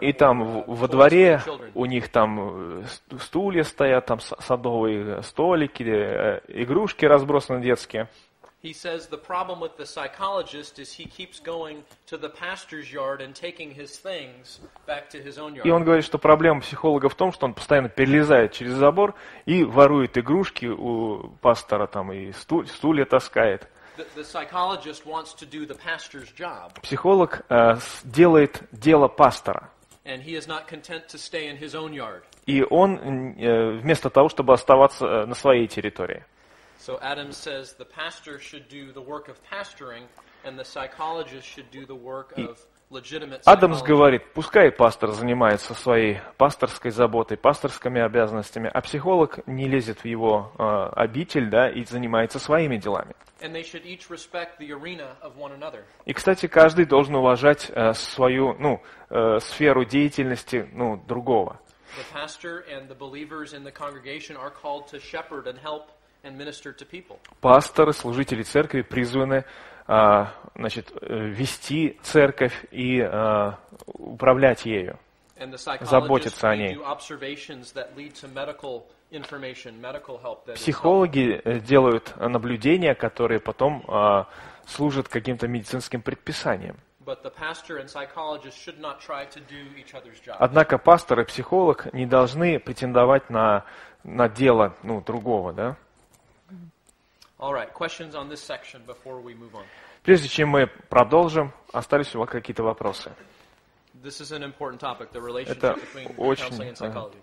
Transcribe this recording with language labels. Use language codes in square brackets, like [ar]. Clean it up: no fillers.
[ru] И там во дворе у них там стулья стоят, там садовые столики, игрушки разбросаны детские. [en] He says the problem with the psychologist is he keeps going to the pastor's yard and taking his things back to his own yard. [ru] И он говорит, что проблема психолога в том, что он постоянно перелезает через забор и ворует игрушки у пастора там и стулья таскает. [en] The psychologist wants to do the pastor's job. [ru] Психолог делает дело пастора. [en] And he is not content to stay in his own yard. [ru] И он вместо того, чтобы оставаться на своей территории. [en] So Adam says the pastor should do the work of pastoring, and the psychologist should do the work of legitimate psychology. [ru] Адамс говорит, пускай пастор занимается своей пасторской заботой, пасторскими обязанностями, а психолог не лезет в его обитель, да, и занимается своими делами. [en] And they should each respect the arena of one another. [ru] И, кстати, каждый должен уважать свою, сферу деятельности, другого. [en] The pastor and the believers in the congregation are called to shepherd and help and minister to people. [ru] Пасторы, служители церкви призваны, вести церковь и управлять ею, [en] and the psychologists [ru] заботиться о ней. [en] Do observations that lead to medical information, medical help that [ru] психологи делают наблюдения, которые потом служат каким-то медицинским предписанием. [en] But the pastor and psychologist should not try to do each other's job. [ru] Однако пастор и психолог не должны претендовать на дело другого, да? [en] All right, questions on this section before we move on. [ru] Прежде чем мы продолжим, остались у вас какие-то вопросы? [en] This is an important topic, the relationship between counseling and psychology.